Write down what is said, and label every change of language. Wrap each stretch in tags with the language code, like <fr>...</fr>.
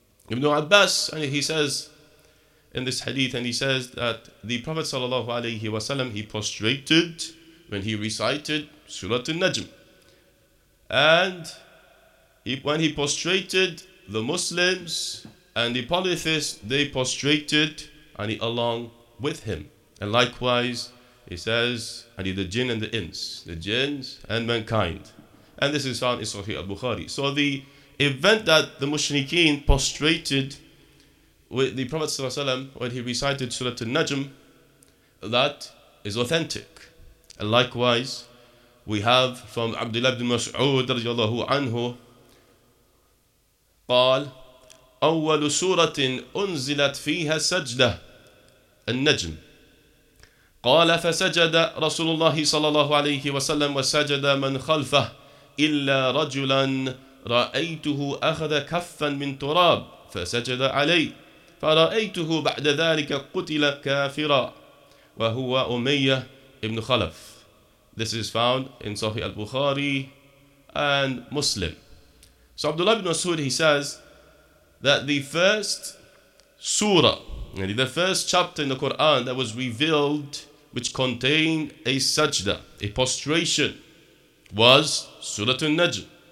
<en>Ibn Abbas, he says in this hadith, and he says that the Prophet sallallahu alaihi wasallam, he prostrated when he recited Surah An-Najm, and when he prostrated, the Muslims and the polytheists, they prostrated along with him, and likewise he says the jinn and the ins, the jinns and mankind. And this is found in Sahih al-Bukhari. So the event that the mushrikeen prostrated with the Prophet ﷺ when he recited Surah An-Najm, that is authentic. And likewise, we have from Abdullah ibn Mas'ud radiyallahu anhu,</en> <ar>قال أول سورة أنزلت فيها سجدة النجم قال فسجد رسول الله صلى الله عليه وسلم وسجد من خلفه إلا رجلا رأيته أخذ كفا من تراب فسجد عليه فرأيته بعد ذلك قتل كافرا وهو أمية ابن خلف.</ar> <en>This is found in Sahih al-Bukhari and Muslim. So Abdullah ibn Mas'ud, he says that the first surah, and the first chapter in the Quran that was revealed, which contained a sajda, a prostration, was Surah An-Najm.</en>